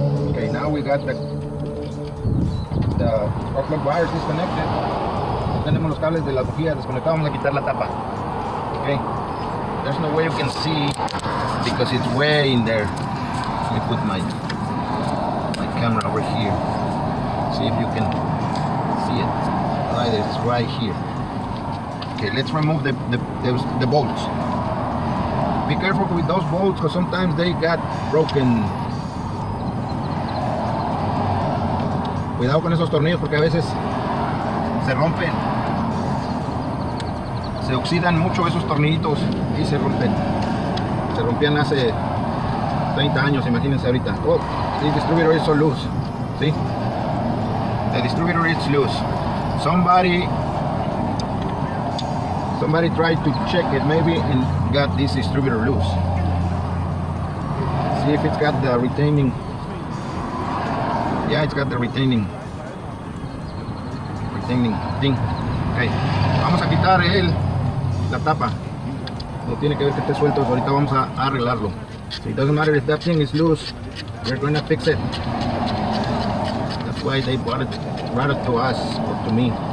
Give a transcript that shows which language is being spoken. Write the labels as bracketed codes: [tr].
[en] Ok, now we got the off-load wires disconnected. [es] Tenemos los cables de la bujía desconectados, vamos a quitar la tapa. [en] Okay. There's no way you can see because it's way in there. Let me put my camera over here. See if you can see it. Right, it's right here. Okay, let's remove the bolts. Be careful with those bolts because sometimes they got broken. [es] Cuidado con esos tornillos porque a veces se rompen. Se oxidan mucho esos tornillitos y se rompen. Se rompían hace 30 años, imagínense ahorita. [en] Oh, the distributor is so loose. ¿Sí? The distributor is loose. Somebody tried to check it maybe and got this distributor loose. See if it's got the retaining. Yeah, it's got the retaining thing. Okay. [es] Vamos a quitar el la tapa. No tiene que ver que esté suelto, ahorita vamos a arreglarlo. [en] It doesn't matter if that thing is loose, we're going to fix it. That's why they brought it to us, or to me.